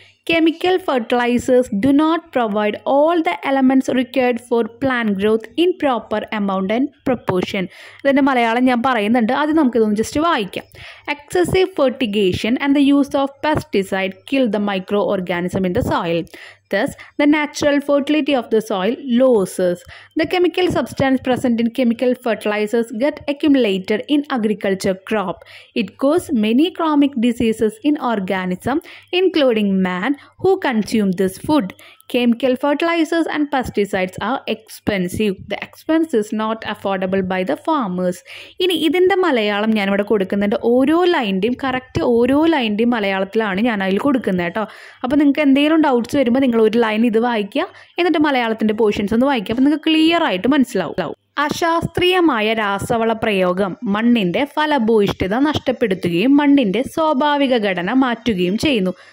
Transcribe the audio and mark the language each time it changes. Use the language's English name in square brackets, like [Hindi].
[English] Chemical fertilizers do not provide all the elements required for plant growth in proper amount and proportion. [Malayalam] ഇതിൻ്റെ മലയാളം ഞാൻ പറയുന്നുണ്ട്, അത് നമുക്കിതൊന്ന് just വായിക്കാം. [English] Excessive fertigation and the use of pesticide kill the micro organism in the soil. Thus, the natural fertility of the soil loses. The chemical substance present in chemical fertilizers get accumulated in agriculture crop. It causes many chronic diseases in organism, including man who consume this food. Chemical fertilizers and pesticides are expensive. The expense is not affordable by the farmers. [Malayalam] ഇനി ഇതിൻ്റെ മലയാളം ഞാനിവിടെ കൊടുക്കുന്നുണ്ട്. ഓരോ ലൈൻ്റെയും correct ഓരോ ലൈൻ്റെയും മലയാളത്തിലാണ് ഞാൻ അതിൽ കൊടുക്കുന്നത് കേട്ടോ. അപ്പോൾ നിങ്ങൾക്ക് എന്തെങ്കിലും ഡൗട്ട്സ് വരുമ്പോൾ നിങ്ങൾ ഒരു ലൈൻ ഇത് വായിക്കുക, എന്നിട്ട് മലയാളത്തിൻ്റെ പോർഷൻസ് ഒന്ന് വായിക്കുക. അപ്പോൾ നിങ്ങൾക്ക് ക്ലിയർ ആയിട്ട് മനസ്സിലാവും. അശാസ്ത്രീയമായ രാസവള പ്രയോഗം മണ്ണിൻ്റെ ഫലഭൂയിഷ്ഠത നഷ്ടപ്പെടുത്തുകയും മണ്ണിൻ്റെ സ്വാഭാവിക ഘടന മാറ്റുകയും ചെയ്യുന്നു.